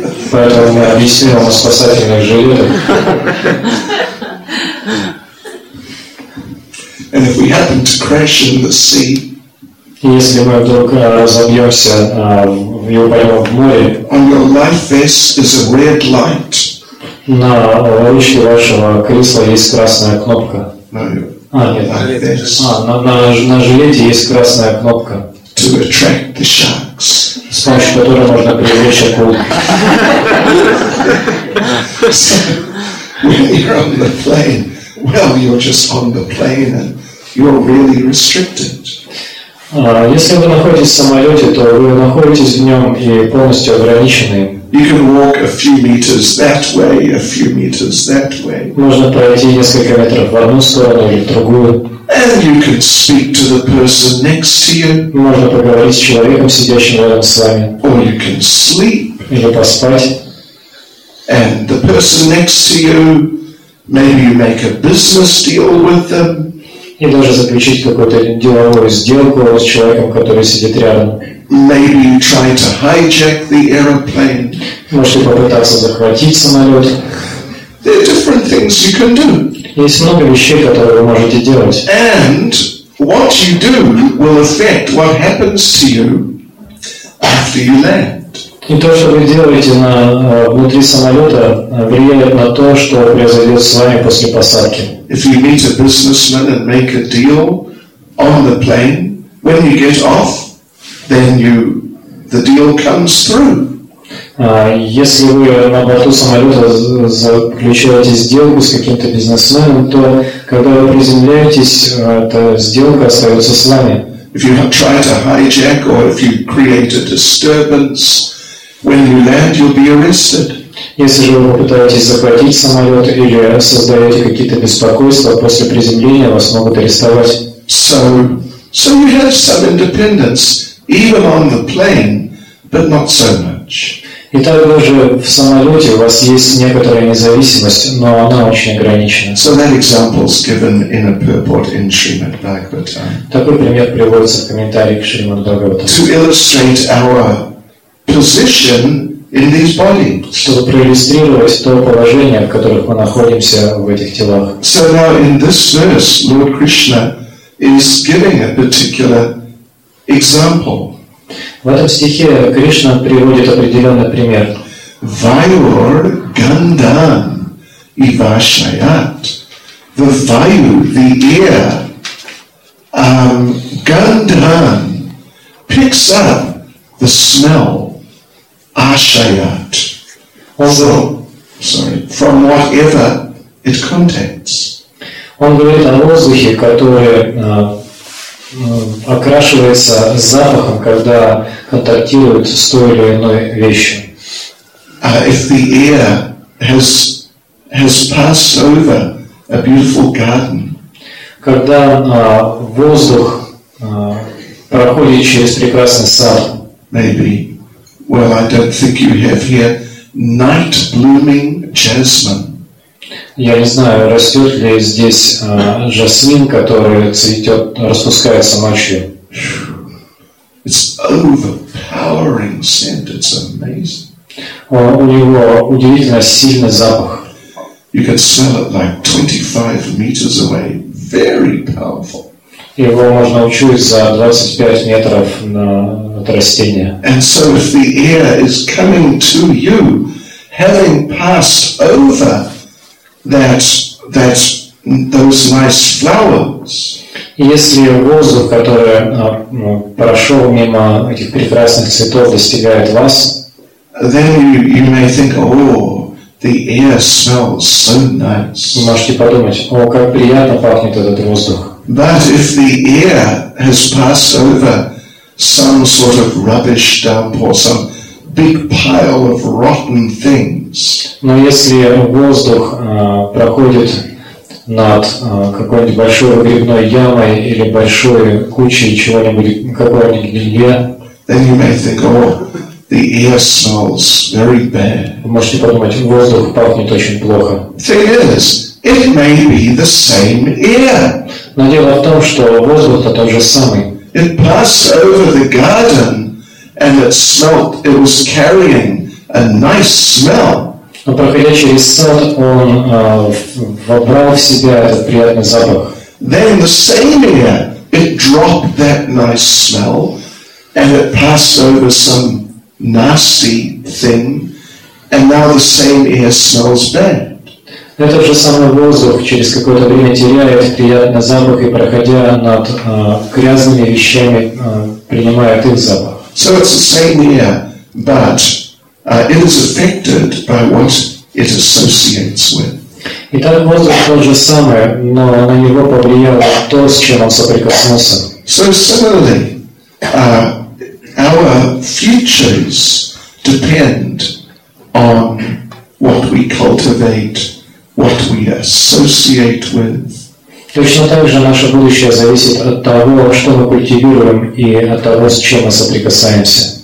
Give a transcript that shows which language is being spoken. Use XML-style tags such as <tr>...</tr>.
<ru>Поэтому мы объясним вам о спасательных жилетах.</ru> <en>And if we happen to crash in the sea,</en> <ru>если мы вдруг разобьемся в его море,</ru> <en>on your life vest is a red light.</en> <ru>На ручке вашего кресла есть красная кнопка. На жилете есть красная кнопка.</ru> <en>To attract the sharks.</en> <ru>С помощью которой можно привлечь акул.</ru> <en>When you're on the plane, well, you're just on the plane and you're really restricted.</en> <ru>Если вы находитесь в самолете, то вы находитесь в нем и полностью ограничены.</ru> <en>You can walk a few meters that way, a few meters that way.</en> <ru>Можно пройти несколько метров в одну сторону или в другую.</ru> <en>And you can speak to the person next to you.</en> <ru>Можно поговорить с человеком, сидящим рядом с вами.</ru> <en>Or you can sleep.</en> <ru>Или поспать.</ru> <en>And the person next to you, maybe you make a business deal with them.</en> <ru>И даже заключить какую-то деловую сделку с человеком, который сидит рядом.</ru> <en>Maybe you try to hijack the airplane.</en> <ru>Можете попытаться захватить самолет.</ru> <en>There are different things you can do.</en> <ru>Есть много вещей, которые вы можете делать.</ru> <en>And what you do will affect what happens to you after you land.</en> <ru>И то, что вы делаете внутри самолета, влияет на то, что произойдет с вами после посадки.</ru> <en>If you meet a businessman and make a deal on the plane, when you get off, then the deal comes through.</en> <ru>Если вы на борту самолета заключаете сделку с каким-то бизнесменом, то когда вы приземляетесь, эта сделка остается с вами.</ru> <en>If you try to hijack or if you create a disturbance, when you land, you'll be arrested.</en> <ru>Если же вы попытаетесь захватить самолет или создаете какие-то беспокойства после приземления, вас могут арестовать.</ru> <en>So you have some independence even on the plane, but not so much.</en> <ru>Итак, даже в самолете у вас есть некоторая независимость, но она очень ограничена.</ru> <en>So that example is given in a purport in Srimad Bhagavatam.</en> <ru>Такой пример приводится в комментарии к Шримад Бхагаватам.</ru> <en>To illustrate our position in these bodies.</en> <ru>Чтобы проиллюстрировать то положение, в котором мы находимся в этих телах.</ru> <en>So now in this verse, Lord Krishna is giving a particular example.</en> <ru>В этом стихе Кришна приводит определенный пример.</ru> <sa>Vayur gandhan ivashayat.</sa> <en>The vayu, the air, gandhan picks up the smell, ashayat. Also, from whatever it contains.</en> <ru>Он говорит о воздухе, который окрашивается запахом, когда контактирует с той или иной вещью.</ru> <en>If the air has passed over a beautiful garden,</en> <ru>когда воздух проходит через прекрасный сад,</ru> <en>maybe, well, I don't think you have here night blooming jasmine.</en> <ru>Я не знаю, растет ли здесь жасмин, который цветет, распускается ночью.</ru> <en>It's overpowering scent. It's amazing.</en> <ru>У него удивительно сильный запах.</ru> <en>You can smell it like 25 meters away. Very powerful.</en> <ru>Его можно учуять за 25 метров от растения.</ru> <en>And so if the air is coming to you, having passed over that those nice flowers.</en> <ru>Если воздух, который прошел мимо этих прекрасных цветов, достигает вас,</ru> <en>then you may think, oh, the air smells so nice.</en> <ru>Вы можете подумать, о, как приятно пахнет этот воздух.</ru> <en>But if the air has passed over some sort of rubbish dump or some big pile of rotten things.</en> <ru>Но если воздух проходит над какой-нибудь большой грибной ямой или большой кучей чего-нибудь, какого-нибудь гнилья,</ru> <en>then you may think, oh, the air smells very bad.</en> <ru>Вы можете подумать, воздух пахнет очень плохо.</ru> <en>Thing is, it may be the same air.</en> <ru>Но дело в том, что воздух-то тот же самый.</ru> <en>It passed over the garden. And it smelt, it was carrying a nice smell.</en> <ru>Но проходя через сад, он вобрал в себя этот приятный запах.</ru> <en>Then the same air, it dropped that nice smell, and it passed over some nasty thing, and now the same air smells bad.</en> <ru>Этот же самый воздух через какое-то время теряет приятный запах, и проходя над грязными вещами, принимает их запах.</ru> <en>So it's the same air, but it is affected by what it associates with.</en> <ru>Итак, воздух тот же самый, но на него повлияло то, с чем он соприкоснулся.</ru> <en>So similarly, our futures depend on what we cultivate, what we associate with.</en> <ru>Точно так же наше будущее зависит от того, что мы культивируем, и от того, с чем мы соприкасаемся.</ru>